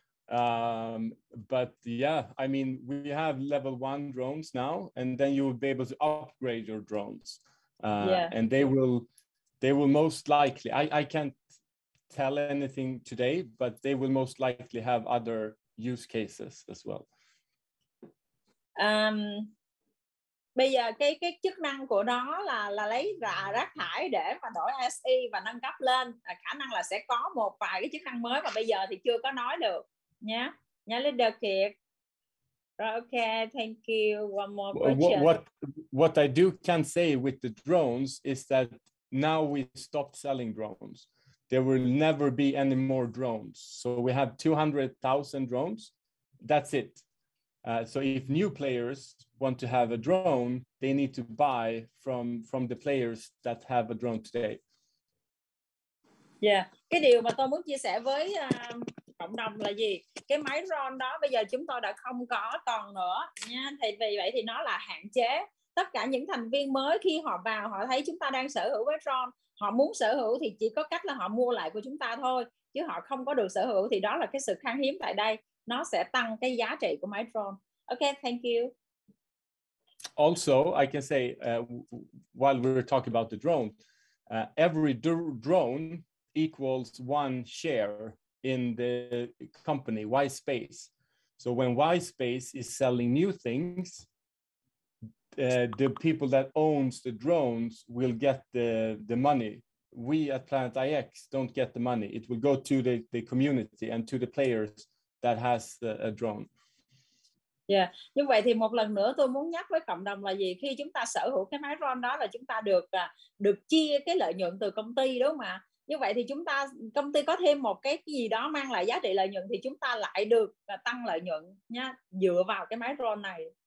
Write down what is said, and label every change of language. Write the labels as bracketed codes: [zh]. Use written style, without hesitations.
[en] But yeah, I mean, we have level one drones now, and then you will be able to upgrade your drones. Yeah. And they will most likely, I can't tell anything today, but they will most likely have other use cases as well. [vi] Bây giờ cái chức năng của nó là lấy rác thải để mà đổi SE và nâng cấp lên, khả năng là sẽ có một vài cái chức năng mới mà bây giờ thì chưa có nói được. Nhá leader Kiệt. Rồi, [en] okay, thank you. One more question. What I do can say with the drones is that now we stopped selling drones. There will never be any more drones. So we have 200,000 drones. That's it. So if new players want to have a drone, they need to buy from the players that have a drone today. [vi] Yeah, cái điều mà tôi muốn chia sẻ với cộng đồng là gì? Cái máy drone đó bây giờ chúng tôi đã không có còn nữa nha. Thì vì vậy thì nó là hạn chế. tất cả những thành viên mới khi họ vào, họ thấy chúng ta đang sở hữu với Tron, họ muốn sở hữu thì chỉ có cách là họ mua lại của chúng ta thôi, chứ họ không có được sở hữu, thì đó là cái sự khan hiếm tại đây, nó sẽ tăng cái giá trị của máy Tron. [en] Ok, thank you. Also, I can say while we're talking about the drone, every drone equals one share in the company Yspace. So when Yspace is selling new things, the people that owns the drones will get the money. We at Planet IX don't get the money. It will go to the community and to the players that has a drone. Yeah. [vi] Như vậy thì một lần nữa tôi muốn nhắc với cộng đồng là gì? Khi chúng ta sở hữu cái máy drone đó là chúng ta được được chia cái lợi nhuận từ công ty, đúng không ạ? Như vậy thì chúng ta, công ty có thêm một cái gì đó mang lại giá trị lợi nhuận thì chúng ta lại được tăng lợi nhuận nhá, dựa vào cái máy drone này.